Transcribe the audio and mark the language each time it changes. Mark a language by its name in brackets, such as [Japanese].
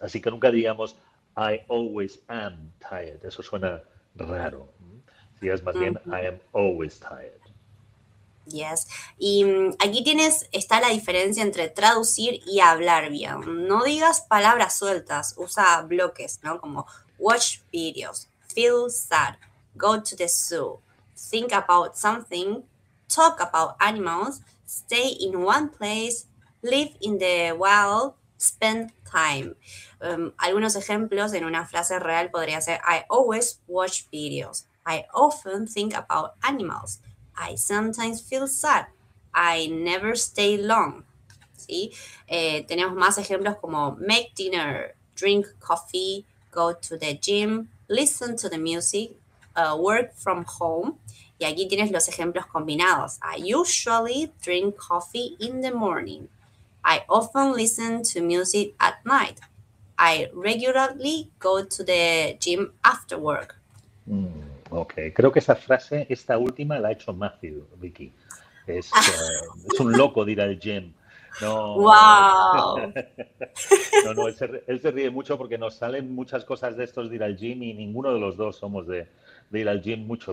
[Spanish] Así que nunca diríamos, [English] I always am tired. [Spanish] Eso suena raro. Si es más bien, [English] I am always tired. Yes. [Spanish] Y aquí tienes, está la diferencia entre traducir y hablar bien. No digas palabras sueltas, usa bloques, ¿no? [English] Como watch videos, feel sad, go to the zoo, think about something, talk about animals, stay in one place, live in the wild, spend time. [Spanish] Algunos ejemplos en una frase real podría ser [English] I always watch videos. I often think about animals. I sometimes feel sad. I never stay long. [Spanish] ¿Sí? Tenemos más ejemplos como [English] make dinner, drink coffee, go to the gym, listen to the music, work from home. [Spanish] Y aquí tienes los ejemplos combinados. [English] I usually drink coffee in the morning. I often listen to music at night. I regularly go to the gym after work. [Spanish] Okay, creo que esa frase, esta última, la ha hecho Matthew, Vicky. Es un loco de ir al gym. No, Wow. no, no, él se ríe mucho porque nos salen muchas cosas de estos de ir al gym y ninguno de los dos somos de ir al gym mucho.